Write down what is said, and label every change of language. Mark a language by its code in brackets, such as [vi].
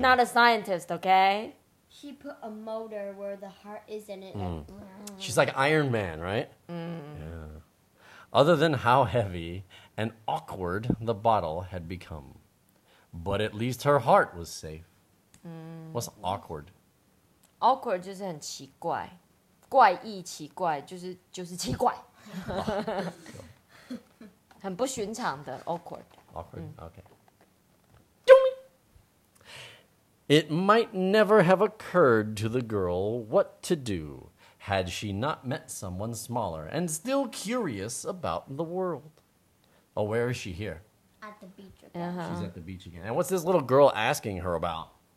[en] Not a scientist, okay? She put a motor where the heart is in it. Mm. She's like Iron Man, right? Mm. Yeah. Other than how heavy and awkward the bottle had become. But at least her heart was safe. What's awkward? [zh] Awkward 就是很奇怪，怪异奇怪，就是奇怪，很不寻常的 awkward. [en] Awkward, okay. It might never have occurred to the girl what to do had she not met someone smaller and still curious about the world. Oh, where is she here? At the beach again. Uh-huh. She's at the beach again. And what's this little girl asking her about?